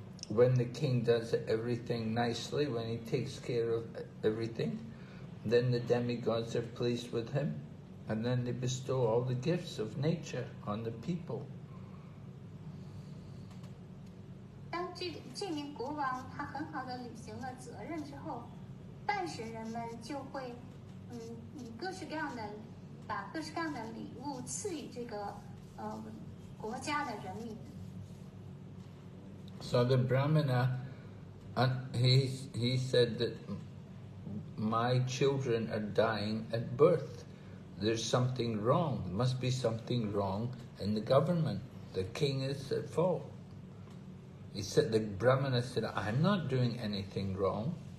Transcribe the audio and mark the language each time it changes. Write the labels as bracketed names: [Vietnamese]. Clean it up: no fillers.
[English] When the king does everything nicely, when he takes care of everything, then the demigods are pleased with him, and then they bestow all the gifts of nature on the people. [Chinese] 当这名国王他很好的履行了责任之后，半神人们就会以各式各样的把各式各样的礼物赐予这个国家的人民。 [English] So the Brahmana, he said that my children are dying at birth. There's something wrong. There must be something wrong in the government. The king is at fault. He said, the Brahmana said, I'm not doing anything wrong.